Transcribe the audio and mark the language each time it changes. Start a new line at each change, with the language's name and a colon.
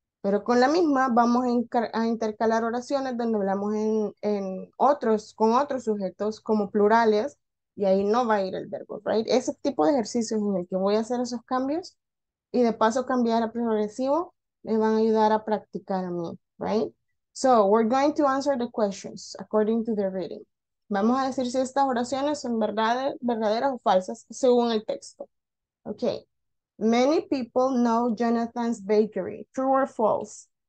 Spanish: Pero con la misma vamos a intercalar oraciones donde hablamos en otros, con otros sujetos como plurales y ahí no va a ir el verbo,
English: right?
Spanish: Ese tipo de ejercicios en el que voy a hacer esos cambios y de paso cambiar a progresivo me van a ayudar a practicar a mí,
English: right? So, we're going to answer the questions according to the reading.
Spanish: Vamos a decir si estas oraciones son verdaderas o falsas según el texto.
English: Okay. Many people know Jonathan's bakery. True or false?